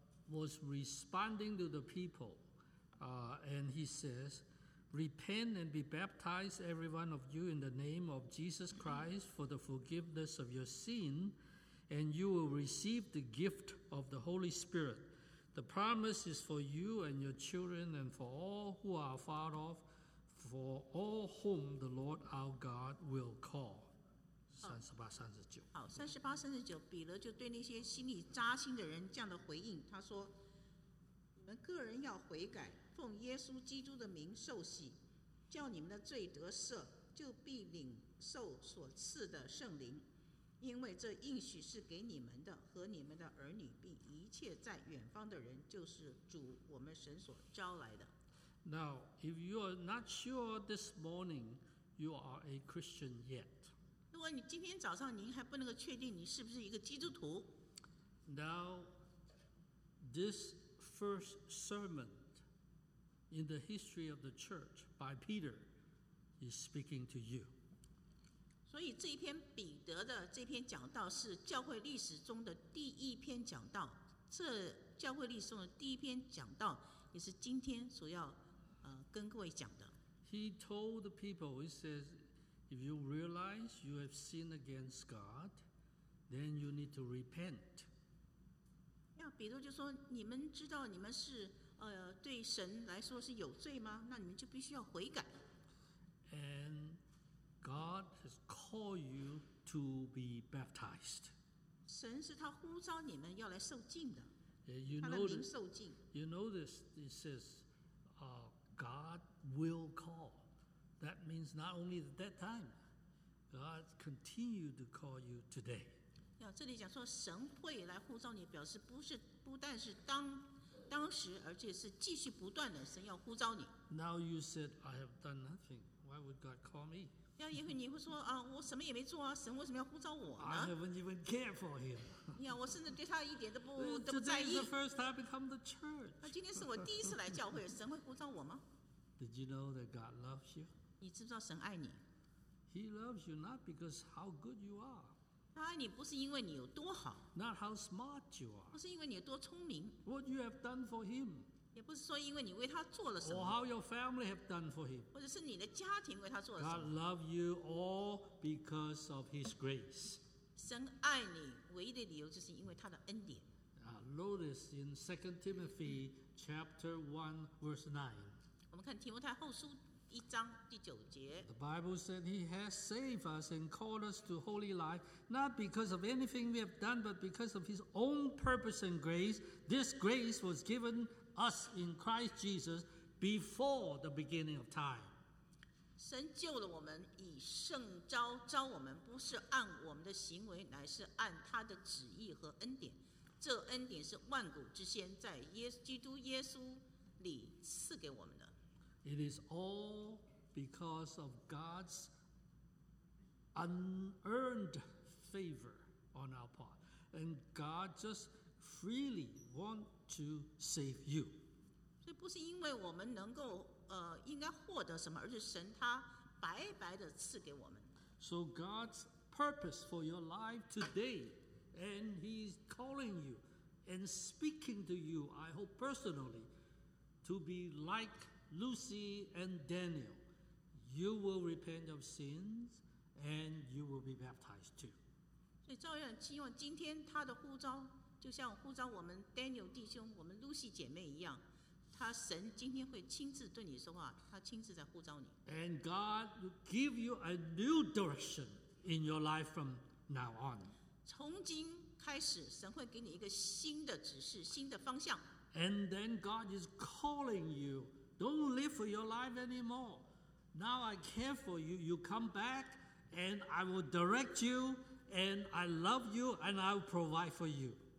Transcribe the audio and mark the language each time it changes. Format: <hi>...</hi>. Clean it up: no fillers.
<en>Was responding to the people, and he says, Repent and be baptized, every one of you, in the name of Jesus Christ for the forgiveness of your sin, and you will receive the gift of the Holy Spirit. The promise is for you and your children, and for all who are far off, for all whom the Lord our God will call. 38-39</en> <zh>彼得就对那些心里扎心的人这样的回应，他说，你们个人要悔改，奉耶稣基督的名受洗，叫你们的罪得赦，就必领受所赐的圣灵，因为这应许是给你们的和你们的儿女，并一切在远方的人，就是主我们神所招来的。</zh> <en>Now if you are not sure this morning you are a Christian yet,</en> <zh>如果你今天早上您还不能够确定你是不是一个基督徒，</zh> <en>Now this first sermonIn the history of the church, by Peter, is speaking to you.</en> <zh>所以这篇彼得的这篇讲道是教会历史中的第一篇讲道。这教会历史中的第一篇讲道也是今天所要跟各位讲的。</zh> <en>He told the people, he says, if you realize you have sinned against God, then you need to repent.</en> <zh>彼得就说，你们知道你们是对神来说是有罪吗？那你们就必须要悔改。</zh> <en>And God has called you to be baptized.</en> <zh>神是他呼召你们要来受浸的。</zh> <en>You know,</en> <zh>他的名受浸。</zh> <en>You notice it says, God will call. That means not only at that time, God continued to call you today.</en> <zh>这里讲说神会来呼召你，表示不但是当时，而且是继续不断的，神要呼召你。</zh> <en>Now you said I have done nothing. Why would God call me?</en> <zh>要也许你会说啊，我什么也没做啊，神为什么要呼召我呢</zh> <en>？I haven't even cared for him.</en> <zh>我甚至对他一点都不在意。</zh> <en>Today is the first time I come to church.</en> <zh>今天是我第一次来教会，神会呼召我吗</zh> <en>？Did you know that God loves you?</en> <zh>你知不知道神爱你</zh> <en>？He loves you not because how good you are.</en> <zh>他爱你不是因为你有多好，</zh> <en>Not how smart you are.</en> <zh>不是因为你有多聪明，</zh> <en>What you have done for him.</en> <zh>也不是说因为你为他做了什么，</zh> <en>Or how your family have done for him.</en> <zh>或者是你的家庭为他做了什么。</zh> <en>God love you all because of his grace.</en> <zh>神爱你唯一的理由就是因为他的恩典。</zh> <en>Notice in 2 Timothy chapter 1 verse 9.</en> <zh>我们看提摩太后书一章第九节。</zh> <en>The Bible said he has saved us and called us to holy life, not because of anything we have done, but because of his own purpose and grace. This grace was given us in Christ Jesus before the beginning of time.</en> <zh>神救了我们，以圣召召我们，不是按我们的行为，乃是按他的旨意和恩典。这恩典是万古之先，在基督耶稣里赐给我们的。</zh> <en>It is all because of God's unearned favor on our part, and God just freely want to save you.</en> <zh>所以不是因为我们能够应该获得什么，而是神他白白的赐给我们。</zh> <en>So God's purpose for your life today, and He's calling you and speaking to you, I hope personally, to be like Lucy and Daniel. You will repent of sins, and you will be baptized too.</en> <zh>所以照样希望今天他的呼召，就像呼召我们 Daniel 弟兄，我们 Lucy 姐妹一样。他神今天会亲自对你说话，他亲自在呼召你。</zh> <en>And God will give you a new direction in your life from now on.</en> <zh>从今开始，神会给你一个新的指示，新的方向。</zh> <en>And then God is calling you, don't live for your life anymore. Now I care for you. You come back, and I will direct you, and I love you, and I will provide for you.</en>